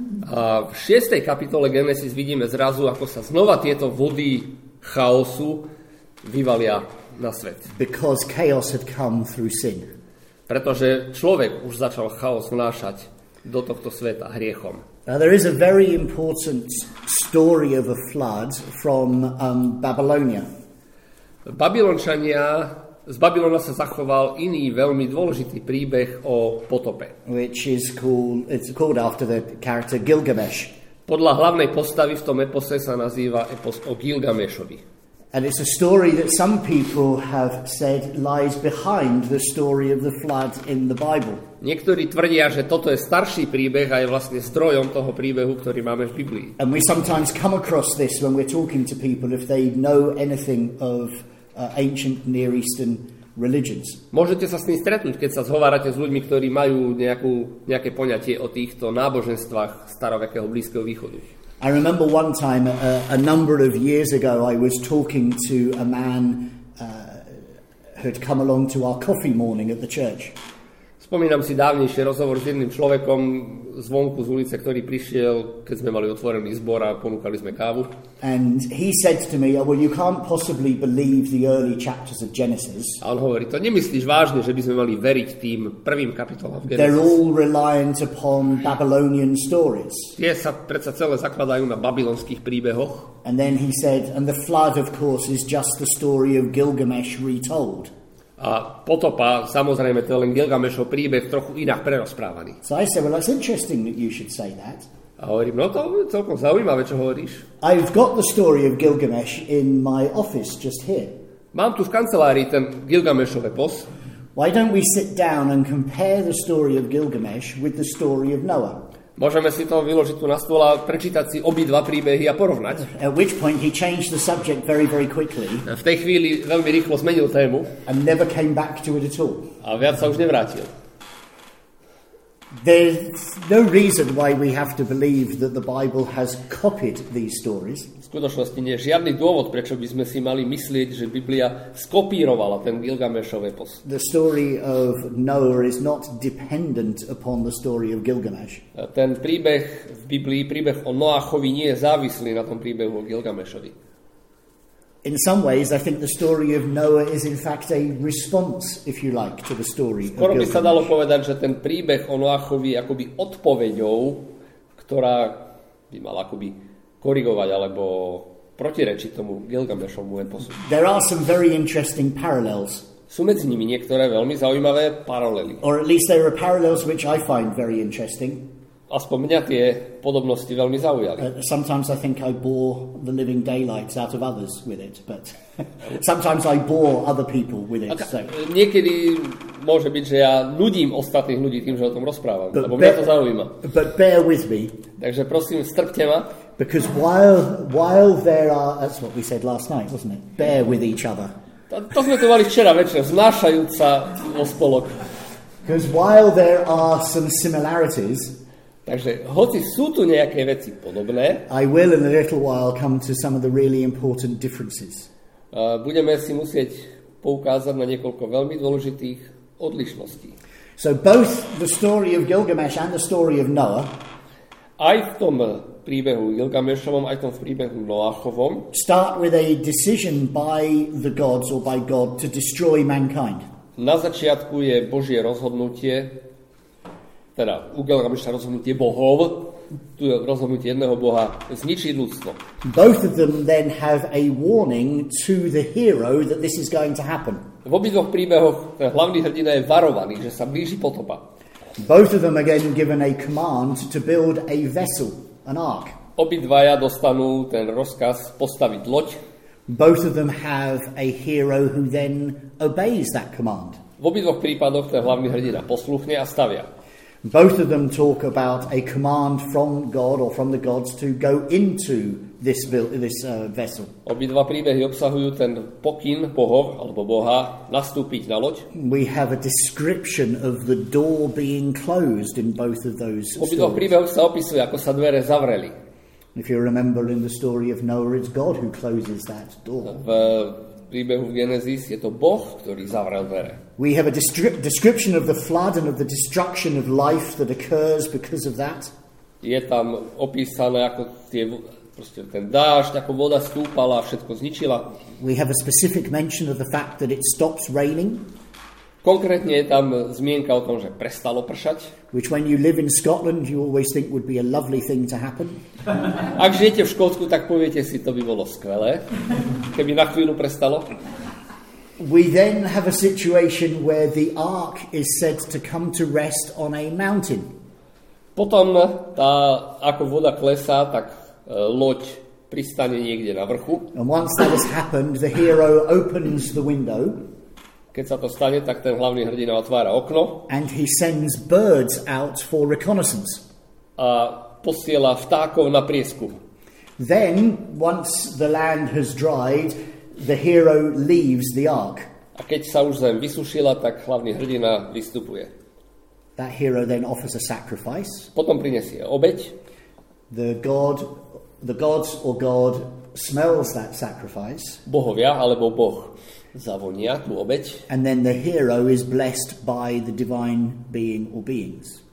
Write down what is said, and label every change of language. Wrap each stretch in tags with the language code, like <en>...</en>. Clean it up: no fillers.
<sk>A v 6. kapitole Genesis vidíme zrazu, ako sa znova tieto vody chaosu vyvalia na svet.</sk> <en>Because chaos had come through sin.</en> <sk>Pretože človek už začal chaos vnášať do tohto sveta hriechom.</sk> <en>Now there is a very important story of a flood from Babylonia.</en> <sk>Babylončania, z Babylona sa zachoval iný veľmi dôležitý príbeh o potope.</sk> <en>Which is called after the character Gilgamesh.</en> <sk>Podľa hlavnej postavy v tom epose sa nazýva epos o Gilgamešovi.</sk> <en>And it's a story that some people have said lies behind the story of the flood in the Bible.</en> <sk>Niektorí tvrdia, že toto je starší príbeh a je vlastne zdrojom toho príbehu, ktorý máme v Biblii.</sk> <en>And we sometimes come across this when we're talking to people if they know anything of ancient Near Eastern religions.</en> <sk>Môžete sa s tým stretnúť, keď sa zhovárate s ľuďmi, ktorí majú nejaké poňatie o týchto náboženstvách starovekého Blízkeho východu.</sk> <en>I remember one time a number of years ago I was talking to a man who had come along to our coffee morning at the church.</en> <sk>Spomínam si dávnejšie rozhovor s jedným človekom zvonku z ulice, ktorý prišiel, keď sme mali otvorený zbor a ponúkali sme kávu.</sk> <en>And he said to me, "Oh, well, you can't possibly believe the early chapters of Genesis."</en> <sk>A on hovorí, to nemyslíš vážne, že by sme mali veriť tým prvým kapitolám Genesis?</sk> <en>They're all reliant upon Babylonian stories.</en> <sk>Tie sa predsa celé zakladajú na babylonských príbehoch.</sk> <en>And then he said, "And the flood, of course, is just the story of Gilgamesh retold."</en> <sk>A potopa, samozrejme, to je len Gilgamešov príbeh trochu inak prerozprávaný.</sk> <en>So I said, well, that's interesting that you should say that.</en> <sk>A hovorím, no to je celkom zaujímavé, čo hovoríš.</sk> <en>I've got the story of Gilgamesh in my office just here.</en> <sk>Mám tu v kancelárii ten Gilgamešov epos.</sk> <en>Why don't we sit down and compare the story of Gilgamesh with the story of Noah?</en> <sk>Môžeme si to vyložiť tu na stôl a prečítať si obi dva príbehy a porovnať.</sk> <en>At which point he changed the subject very, very quickly.</en> <sk>V tej chvíli veľmi rýchlo zmenil tému.</sk> <en>And never came back to it at all.</en> <sk>A viac sa už nevrátil.</sk> <en>There's no reason why we have to believe that the Bible has copied these stories.</en> <sk>V skutočnosti nie je žiadny dôvod, prečo by sme si mali myslieť, že Biblia skopírovala ten Gilgamešov epos.</sk> <en>The story of Noah is not dependent upon the story of Gilgamesh.</en> <sk>Ten príbeh v Biblii, príbeh o Noachovi nie je závislý na tom príbehu o Gilgamešovi.</sk> <en>In some ways, I think the story of Noah is in fact a response, if you like, to the story of Gilgamesh.</en> <sk>Skoro by sa dalo povedať, že ten príbeh o Noachovi je akoby odpoveďou, ktorá by mala akoby korigovať alebo protirečiť tomu Gilgamešovmu eposu.</sk> <en>There are some very interesting parallels.</en> <sk>Sú medzi nimi niektoré veľmi zaujímavé paralely.</sk> <en>Or at least there are parallels which I find very interesting.</en> <sk>Aspoň mňa tie podobnosti veľmi zaujali.</sk> <en>Sometimes I think I bore the living daylights out of others with it, but sometimes I bore other people with it. So.</en> <sk>Niekedy môže byť, že ja nudím ostatných ľudí tým, že o tom rozprávam,</sk> <en>but</en> <sk>lebo mňa to zaujíma.</sk> <en>But bear with me.</en> <sk>Takže prosím, strpte ma.</sk> <en>Because while there are, that's what we said last night, wasn't it? Bear with each other.</en> <sk>To sme to mali včera večer, znášajúc sa o spolok.</sk> <en>Because while there are some similarities,</en> <sk>takže hoci sú tu nejaké veci podobné,</sk> <en>I will in a little while come to some of the really important differences.</en> <sk>Budeme si musieť poukázať na niekoľko veľmi dôležitých odlišností.</sk> <en>So both the story of Gilgamesh and the story of Noah,</en> <sk>aj v tom príbehu Gilgamešovom, aj v tom príbehu Noachovom,</sk> <en>start with a decision by the gods or by God to destroy mankind.</en> <sk>Na začiatku je Božie rozhodnutie, teda u Gilgameša rozhodnutie bohov, tu je rozhodnutie jedného boha zničiť ľudstvo.</sk> <en>Both of them then have a warning to the hero that this is going to happen.</en> <sk>V obidvoch príbehoch hlavný hrdina je varovaný, že sa blíži potopa.</sk> <en>Both of them again given a command to build a vessel, an ark.</en> <sk>Obidvaja dostanú ten rozkaz postaviť loď.</sk> <en>Both of them have a hero who then obeys that command.</en> <sk>V obidvoch prípadoch ten hlavný hrdina posluchne a stavia.</sk> <en>Both of them talk about a command from God or from the gods to go into this vessel.</en> <sk>Obidva príbehy obsahujú ten pokyn bohov alebo boha nastúpiť na loď.</sk> <en>We have a description of the door being closed in both of those stories.</en> <sk>Obidva príbehy sa opisuje, ako sa dvere zavreli.</sk> <en>If you remember in the story of Noah, it's God who closes that door.</en> <sk>Príbehu v Genesis je to Boh, ktorý zavrel dvere.</sk> <en>We have a description of the flood and of the destruction of life that occurs because of that.</en> <sk>Je tam opísané, ako tie, proste ten dážď, ako voda stúpala a všetko zničila.</sk> <en>We have a specific mention of the fact that it stops raining.</en> <sk>Konkrétne je tam zmienka o tom, že prestalo pršať.</sk> <en>Which when you live in Scotland, you always think would be a lovely thing to happen.</en> <sk>Ak žijete v Škótsku, tak poviete si, to by bolo skvelé, keby na chvíľu prestalo.</sk> <en>We then have a situation where the ark is said to come to rest on a mountain.</en> <sk>Potom tá, ako voda klesá, tak loď pristane niekde na vrchu.</sk> <en>And once that has happened, the hero opens the window.</en> <sk>Keď sa to stane, tak ten hlavný hrdina otvára okno.</sk> <en>And he sends birds out for reconnaissance.</en> <sk>A posiela vtákov na prieskum.</sk> <en>Then, once the land has dried, the hero leaves the ark.</en> <sk>A keď sa už zem vysušila, tak hlavný hrdina vystupuje.</sk> <en>That hero then offers a sacrifice.</en> <sk>Potom prinesie obeť.</sk> <en>The god the gods or God smells that sacrifice.</en> <sk>Bohovia alebo Boh zavonia tú obeť.</sk> <en>And then the hero is blessed by the divine being or beings.</en>